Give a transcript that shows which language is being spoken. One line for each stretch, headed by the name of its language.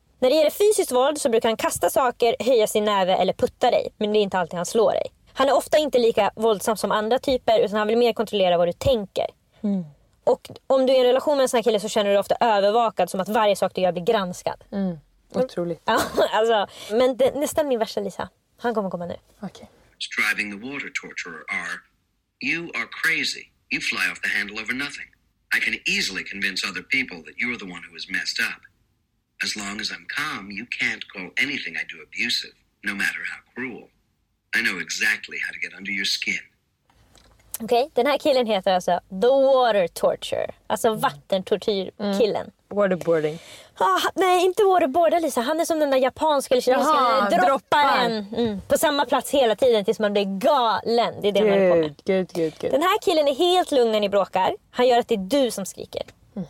Swedish: När det gäller fysiskt våld så brukar han kasta saker, höja sin näve eller putta dig, men det är inte alltid han slår dig. Han är ofta inte lika våldsam som andra typer, utan han vill mer kontrollera vad du tänker. Mm. Och om du är i en relation med en sån här kille så känner du dig ofta övervakad, som att varje sak du gör blir granskad. Mm. Otroligt. Ja, alltså, men det, nästan min värsta Lisa. Han kommer komma nu. Okej.
English: Striving the water torturer are, you are crazy. You fly off the handle over nothing. I can easily convince other people that you're the one who is messed up. As long as I'm calm, you can't call anything I do abusive, no matter how cruel. I know exactly how to get under your skin.
Swedish: Okej, okay, den här killen heter alltså The Water Torture. Alltså vattentortyrkillen. Mm. Waterboarding. Ah, nej, inte waterboarda Lisa. Han är som den där japanska eller kinesiska. Jaha, dropparen. Mm, på samma plats hela tiden tills man blir galen. Det är det
English: good,
Swedish: man är på med.
English: Good.
Swedish: Den här killen är helt lugn när ni bråkar. Han gör att det är du som skriker. Mm.